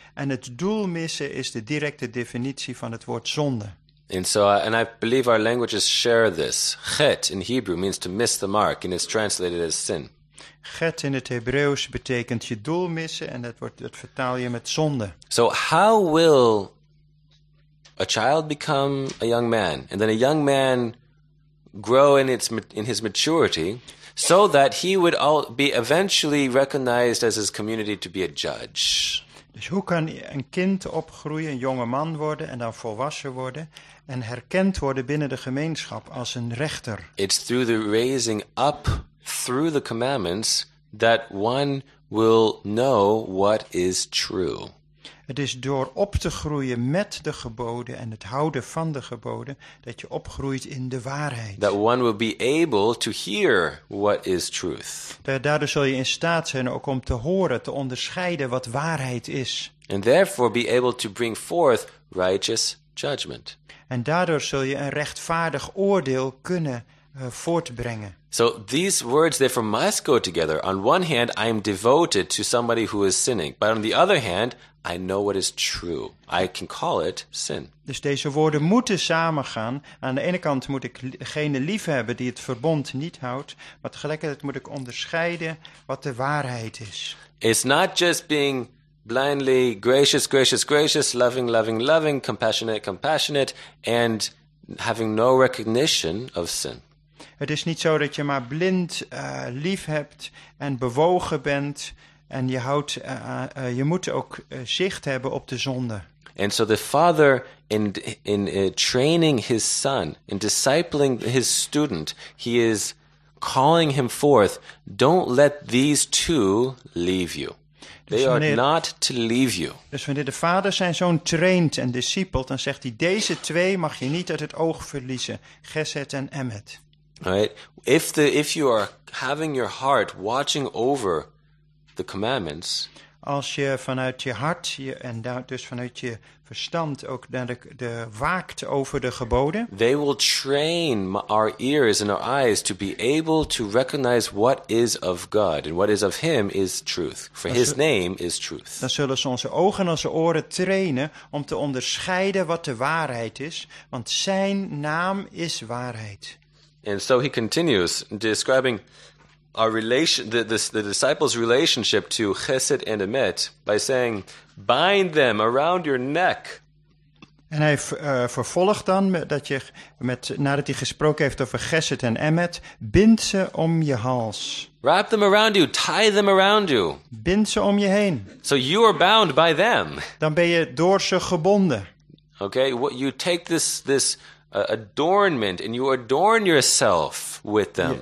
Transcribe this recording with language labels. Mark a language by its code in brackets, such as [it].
[nl] En het doel missen is de directe definitie van het woord zonde. [en] And so, and I believe our languages share this. Chet in Hebrew means to miss the mark, and it's translated as sin. [nl] Chet in het Hebreeuws betekent je doel missen, en dat vertaal je met zonde. [en] So how will a child become a young man, and then a young man grow in his maturity? So that he would all be eventually recognized as his community to be a judge. [nl] Dus hoe kan een kind opgroeien, een jonge man worden en dan volwassen worden en herkend worden binnen de gemeenschap als een rechter? [en] It's through the raising up through the commandments that one will know what is true. [nl] Het is door op te groeien met de geboden en het houden van de geboden dat je opgroeit in de waarheid. [en] That one will be able to hear what is truth. [nl] Daardoor zul je in staat zijn ook om te horen, te onderscheiden wat waarheid is. [en] And therefore be able to bring forth righteous judgment. [nl] En daardoor zul je een rechtvaardig oordeel kunnen voortbrengen. [en] So these words therefore must go together. On one hand, I am devoted to somebody who is sinning, but on the other hand, I know what is true. I can call it sin. [nl] Dus deze woorden moeten samengaan. Aan de ene kant moet ik degene lief hebben die het verbond niet houdt, maar tegelijkertijd moet ik onderscheiden wat de waarheid is. [en] It's not just being blindly gracious, gracious, gracious, loving, loving, loving, compassionate, compassionate, and having no recognition of sin. [nl] Het is niet zo dat je maar blind lief hebt en bewogen bent en je houdt. Je moet ook zicht hebben op de zonde. [en] And so the father in training his son, in discipling his student, he is calling him forth. Don't let these two leave you. They are not to leave you. [nl] Dus wanneer de vader zijn zoon traint en discipelt, dan zegt hij: deze twee mag je niet uit het oog verliezen, Geset en Emet. [en] Right? If you are having your heart watching over the commandments. [nl] Als je vanuit je hart en dus vanuit je verstand ook de waakt over de geboden. [en] They will train our ears and our eyes to be able to recognize what is of God and what is of Him is truth. For His name is truth. [nl] Dan zullen ze onze ogen en onze oren trainen om te onderscheiden wat de waarheid is, want Zijn naam is waarheid. [en] And so He continues describing our relation, the disciples' relationship to Chesed and Emet, by saying, "Bind them around your neck." [nl] En hij vervolgt dan dat je met nadat hij gesproken heeft over Chesed en Emet, bind ze om je hals. [en] Wrap them around you, tie them around you. [nl] Bind ze om je heen. [en] So you are bound by them. [nl] Dan ben je door ze gebonden. [en] Okay, what you take this adornment and you adorn yourself with them.